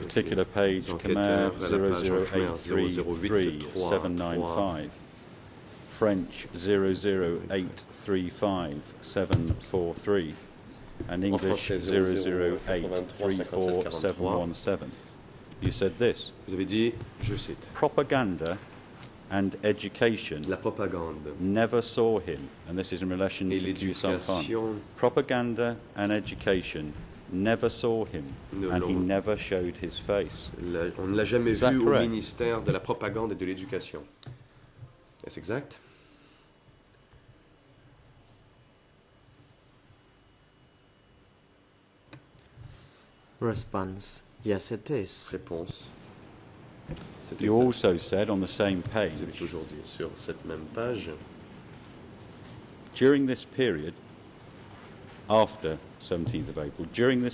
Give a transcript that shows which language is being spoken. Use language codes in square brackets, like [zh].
[en] particular page, Khmer 00833795, French 00835743, and English 00834717. You said this. [fr] Vous avez dit, je cite, [en] propaganda and education. [fr] La propagande. [en] Never saw him, and this is in relation [fr] et [en] to Qiu Sampan. Propaganda and education never saw him, and he never showed his face. [fr] On ne l'a jamais vu au ministère de la propagande et de l'éducation. Est-ce exact? [en] Response. Yes, it is. [fr] Réponse. C'est you exact. [en] Also said on the same page. [fr] Vous avez toujours dit sur cette même page. [en] During this period, after 17th of April, during this